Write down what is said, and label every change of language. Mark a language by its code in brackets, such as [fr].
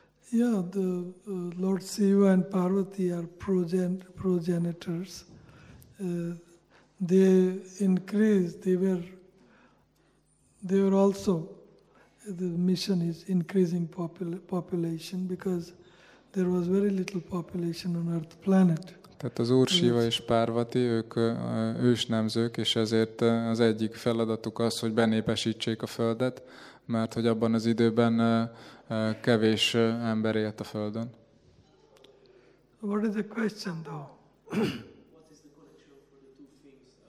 [en] Yeah, the Lord Shiva and Parvati are progenitors. They increased. They were also the mission is increasing population because there was very little population on Earth planet. [hu] Tehát az Úr Shiva és Parvati, ők ősnemzők, és ezért az egyik feladatuk az, hogy benépesítsék a Földet, mert hogy abban az időben kevés ember élt a Földön. [en] What is the question, though? What is the connection for the two things?